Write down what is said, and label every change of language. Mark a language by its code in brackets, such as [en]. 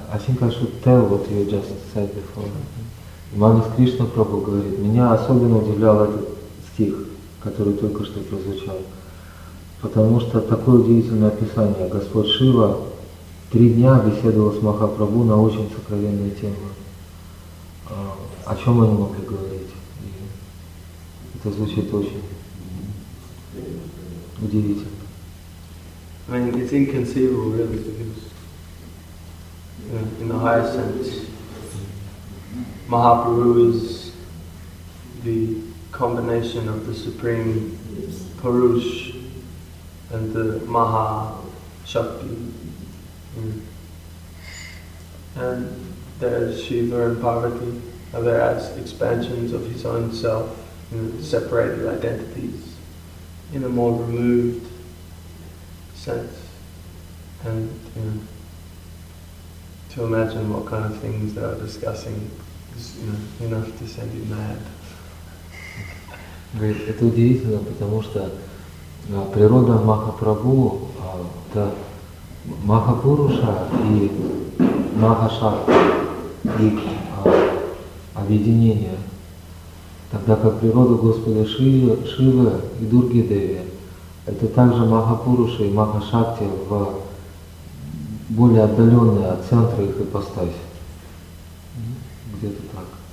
[en] I think I should tell what you just said before. [ru] Иманус Кришна Прабху говорит, меня особенно удивлял этот стих, который только что прозвучал, потому что такое удивительное описание. Господь Шива 3 дня беседовал с Махапрабху на очень сокровенные темы. О чем они могли говорить? И это звучит очень удивительно. [en] It's inconceivable, really, because in the highest sense, Mahaprabhu is the combination of the Supreme Purush and the Maha Shakti. And there's Shiva and Parvati, and they're as expansions of his own self, you know, separated identities in a more removed sense. And, you know, to imagine what kind of things they are discussing is, you know, enough to send you mad. [ru] Говорит, это удивительно, потому что природа Махапрабху, это Махапуруша и Махашакти, их объединение, тогда как природа Господа Шивы и Дурги Деви, это также Махапуруша и Махашакти в более отдаленные от центра их ипостаси. Где-то так.